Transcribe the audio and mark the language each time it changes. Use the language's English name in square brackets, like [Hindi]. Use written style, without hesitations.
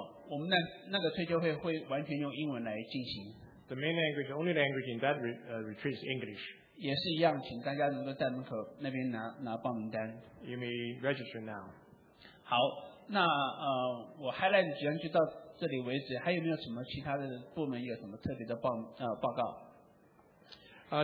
[Chinese] 我们那个退休会会完全用英文来进行。 [English] The main language, only language in that retreat is English. [Chinese] 也是一样，请大家能够在门口那边拿报名单。 [English] You may register now. [Chinese] 好，那我 highlight 几样就到。这里为止，还有没有什么其他的部门有什么特别的报告？